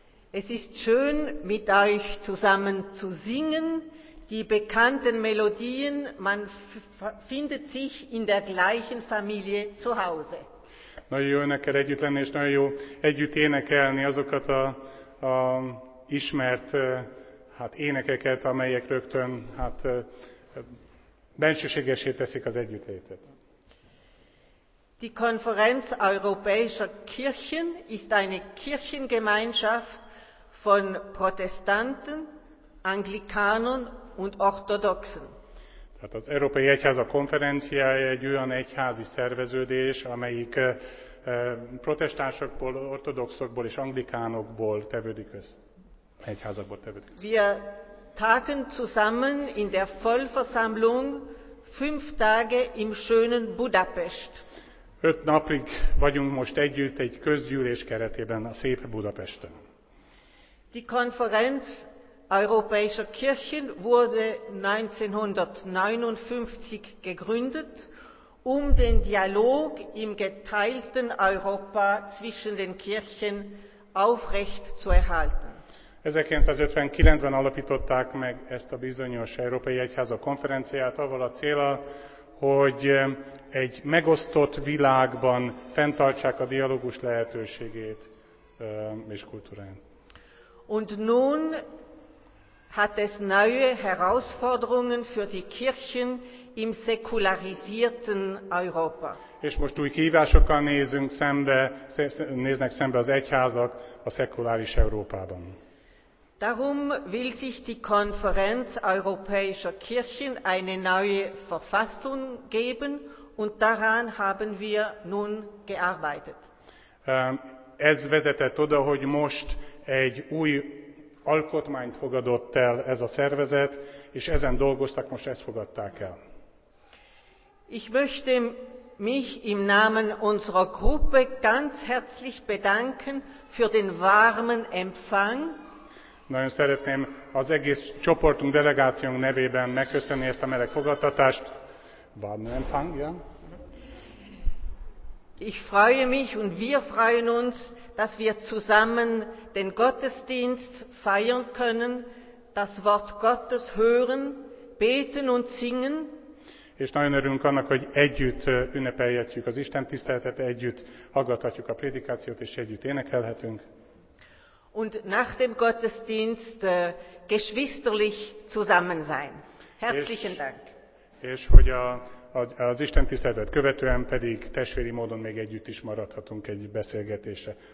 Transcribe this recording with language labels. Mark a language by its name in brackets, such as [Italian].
[German] Es ist schön, mit euch zusammen zu singen. Die bekannten Melodien, man findet sich in der gleichen Familie zu Hause. [Hungarian] Nagyon jó önökkel együtt lenni, és nagyon jó együtt énekelni azokat a ismert hát énekeket, amelyek rögtön hát bensőségessé teszik az együttlétet. [German] Die Konferenz Europäischer Kirchen ist eine Kirchengemeinschaft von Protestanten, Anglikanern und Orthodoxen. [Hungarian] Tehát az Európai Egyházak konferenciája egy olyan egyházi szerveződés, amelyik protestánsokból, ortodoxokból és anglikánokból tevődik össze. Egyházakból tevődik össze. [German] Wir tagen zusammen in der Vollversammlung 5 Tage im schönen Budapest. [Hungarian] 5 napig vagyunk most együtt egy közgyűlés keretében a szép Budapesten. [German] Die Konferenz Europäischer Kirchen wurde 1959 gegründet, um den Dialog im geteilten Europa zwischen den Kirchen aufrecht zu erhalten. [Hungarian] 1959-ben alapították meg ezt a bizonyos Európai Egyházak konferenciát, avval a céllal, hogy egy megosztott világban fenntartsák a dialógus lehetőségét és kultúráját. [German] Und nun hat es neue Herausforderungen für die Kirchen im säkularisierten Europa. [Hungarian] És most új kihívásokkal nézünk szembe, néznek szembe az egyházak a szekuláris Európában. [German] Darum will sich die Konferenz Europäischer Kirchen eine neue Verfassung geben, und daran haben wir nun gearbeitet. [Hungarian] Ez vezetett oda, hogy most egy új alkotmányt fogadott el ez a szervezet, és ezen dolgoztak, most ezt fogadták el. [German] Ich möchte mich im Namen unserer Gruppe ganz herzlich bedanken für den warmen Empfang. [Hungarian] Nagyon szeretném az egész csoportunk, delegációnk nevében megköszönni ezt a meleg fogadtatást. [German] Warmen Empfang, ja? Ich freue mich und wir freuen uns, dass wir zusammen den Gottesdienst feiern können, das Wort Gottes hören, beten und singen. [Hungarian] És nagyon örülünk annak, hogy együtt ünnepelhetjük az Isten tiszteletet, együtt hallgathatjuk a prédikációt, és együtt énekelhetünk. [German] Und nach dem Gottesdienst geschwisterlich zusammen sein. Herzlichen Dank. [Hungarian] És hogy az Isten tiszteletet követően pedig testvéri módon még együtt is maradhatunk egy beszélgetésre.